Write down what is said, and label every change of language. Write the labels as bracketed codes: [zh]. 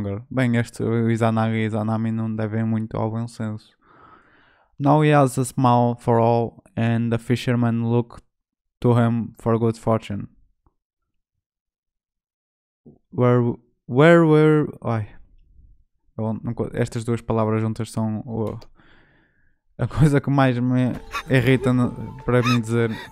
[pt] Bem, este Izanagi e Izanami não devem muito ao bom senso. [en] Now he has a smile for all, and the fishermen look to him for good fortune. [pt] Estas duas palavras juntas são a coisa que mais me irrita para mim dizer.